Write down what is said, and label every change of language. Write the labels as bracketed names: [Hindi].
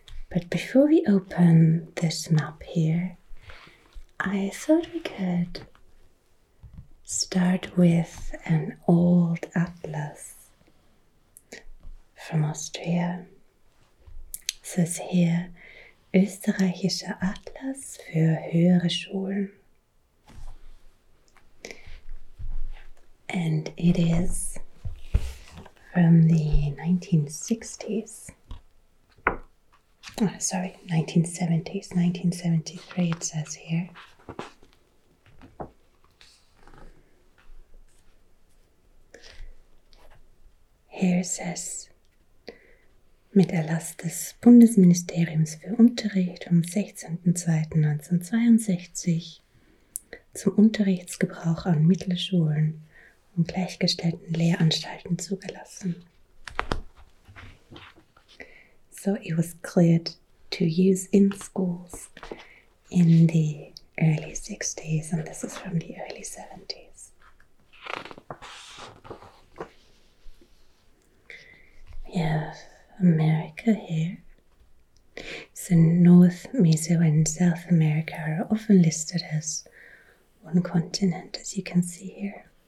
[English] But before we open this map here, I thought we could start with an old atlas from Austria. It says here, [German] Österreichischer Atlas für höhere Schulen. [English] And it is from the 1960s. Oh, sorry, 1970s, 1973 it says here. [German] Here says, mit Erlass des Bundesministeriums für Unterricht vom 16.02.1962 zum Unterrichtsgebrauch an Mittelschulen und gleichgestellten Lehranstalten zugelassen. [English] So it was cleared to use in schools in the early 60s, and this is from the early 70s. We have America here. So North, Meso, and South America are often listed as one continent, as you can see here.